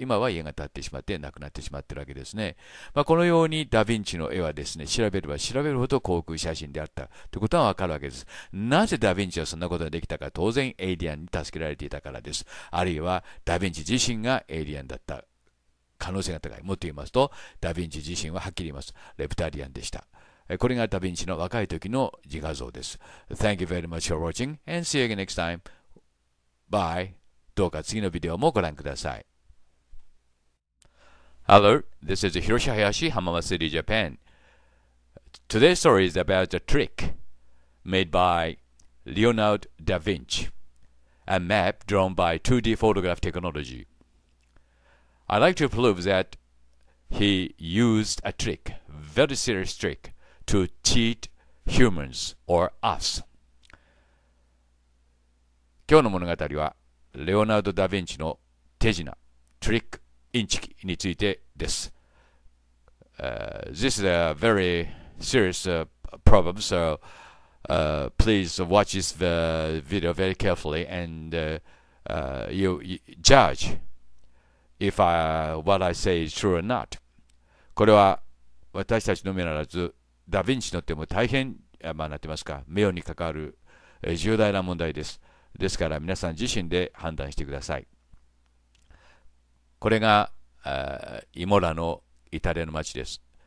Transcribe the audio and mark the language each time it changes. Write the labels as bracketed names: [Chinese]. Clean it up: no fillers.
[Japanese] 今は家が建ってしまってなくなってしまっているわけですね。まあ、このようにダ・ヴィンチの絵はですね、調べれば調べるほど航空写真であったということは分かるわけです。なぜダ・ヴィンチはそんなことができたか、当然エイリアンに助けられていたからです。あるいはダ・ヴィンチ自身がエイリアンだった可能性が高い。もっと言いますと、ダ・ヴィンチ自身ははっきり言います。レプタリアンでした。これがダ・ヴィンチの若い時の自画像です。 [English] Thank you very much for watching and see you again next time. Bye. [Japanese] どうか次のビデオもご覧ください。 [English] Hello, this is Hiroshi Hayashi, Hamama City, Japan. Today's story is about a trick made by Leonardo da Vinci, a map drawn by 2D photograph technology. I'd like to prove that he used a trick, very serious trick, to cheat humans or us. [Japanese] 今日の物語は、レオナルド・ダ・ヴィンチの手品、トリック・インチキについてです。 [English] This is a very serious problem, so please watch this video very carefully and you judge. If what I say is true or not. [Japanese] これは私たちのみならず、ダ・ヴィンチの手も大変、まあ、なってますか、目に関わる重大な問題です。ですから皆さん自身で判断してください。これがイモラのイタリアの町です。